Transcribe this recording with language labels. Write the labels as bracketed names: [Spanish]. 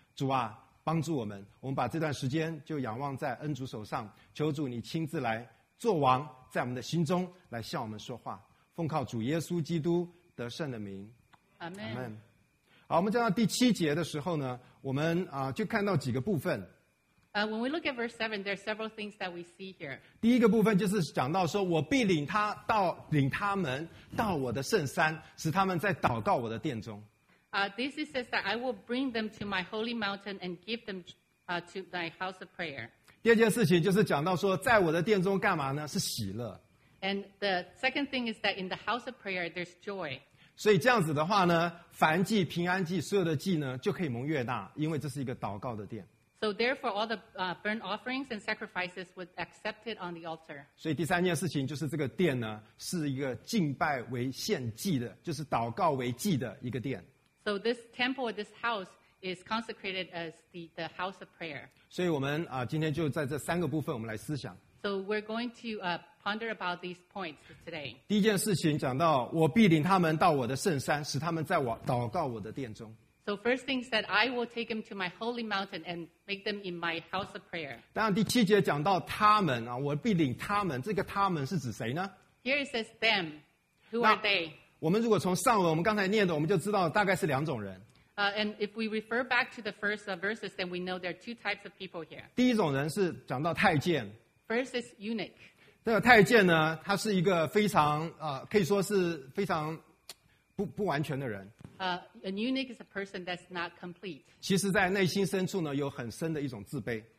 [Chinese] 主啊，帮助我们，我们把这段时间就仰望在恩主手上，求主你亲自来做王，在我们的心中来向我们说话。奉靠主耶稣基督得胜的名，阿们。好，我们讲到第七节的时候呢，我们就看到几个部分。 [English] When we look at verse 7, there are several things that we see here. [Chinese] 第一个部分就是讲到说，我必领他们到我的圣山，使他们在祷告我的殿中。 [English] This is says that I will bring them to my holy mountain and give them to my house of prayer. [Chinese] 第二件事情就是讲到说，在我的殿中干嘛呢？是喜乐。 [English] And the second thing is that in the house of prayer there's joy. [Chinese] 所以这样子的话呢，燔祭、平安祭、所有的祭呢，就可以蒙悦纳，因为这是一个祷告的殿。 [English] So therefore, all the burnt offerings and sacrifices were accepted on the altar. [Chinese] 所以第三件事情就是这个殿呢，是一个敬拜为献祭的，就是祷告为祭的一个殿。 [English] So this temple, this house is consecrated as the house of prayer. [Chinese] 所以我们今天就在这三个部分，我们来思想。 [English] So we're going to ponder about these points today. [Chinese] 第一件事情讲到，我必领他们到我的圣山，使他们在我祷告我的殿中。 [English] So first thing is that I will take them to my holy mountain and make them in my house of prayer. [Chinese] 当然第七节讲到他们啊，我必领他们，这个他们是指谁呢？ [English] Here it says them. Who are they? [Chinese] 我们如果从上文我们刚才念的，我们就知道大概是两种人。 [English] And if we refer back to the first verses, then we know there are two types of people here. [Chinese] 第一种人是讲到太监。 [English] First is eunuch. [Chinese] 这个太监呢，他是一个非常可以说是非常不完全的人。 [English] A eunuch is a person that's not complete. [Chinese] 其实在内心深处呢，有很深的一种自卑。